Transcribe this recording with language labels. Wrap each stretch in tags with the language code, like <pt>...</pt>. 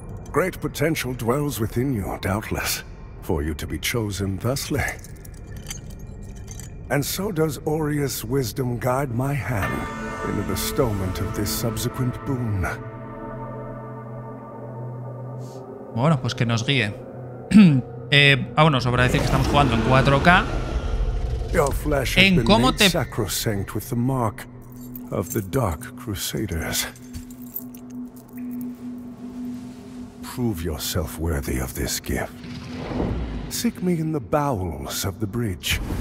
<en>Great potential dwells within you, doubtless, for you to be chosen thusly. And so does Aureus' wisdom guide my hand in the bestowment of this subsequent boon.</en> <es>Bueno, pues que nos guíe. bueno, sobra decir que estamos jugando en 4K.</es> <en>Your flesh has been made sacrosanct with the mark of the Dark Crusaders. Prove yourself worthy of this gift. Seek me in the bowels of the bridge.</en>